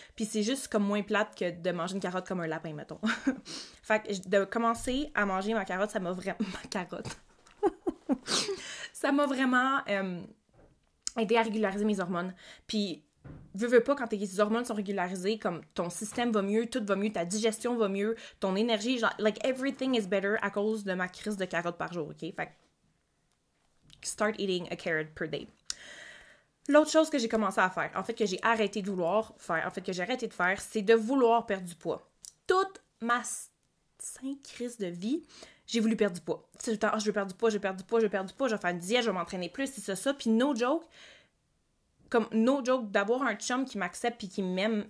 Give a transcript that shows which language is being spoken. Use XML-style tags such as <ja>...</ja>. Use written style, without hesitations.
<fr>Puis c'est juste comme moins plate que de manger une carotte comme un lapin, mettons. Fait que de commencer à manger ma carotte, ça m'a vraiment... Ma carotte. Ça m'a vraiment aidé à régulariser mes hormones. Puis veux pas, quand tes hormones sont régularisées, comme ton système va mieux, tout va mieux, ta digestion va mieux, ton énergie, genre,</fr> <en>like, everything is better</en> <fr>à cause de ma crise de carottes par jour, OK? Fait que,</fr> <en>start eating a carrot per day.</en> <fr>L'autre chose que j'ai commencé à faire, en fait, que j'ai arrêté de vouloir faire, en fait, que j'ai arrêté de faire, c'est de vouloir perdre du poids. Toute ma sainte crise de vie, j'ai voulu perdre du poids. C'est le temps, oh, je veux perdre du poids, je veux perdre du poids, je veux perdre du poids, je vais faire une diète, je vais m'entraîner plus, c'est ça, ça. Puis</fr> <en>no joke,</en> <fr>comme</fr> <en>no joke,</en> <fr>d'avoir un chum qui m'accepte puis qui m'aime.</fr>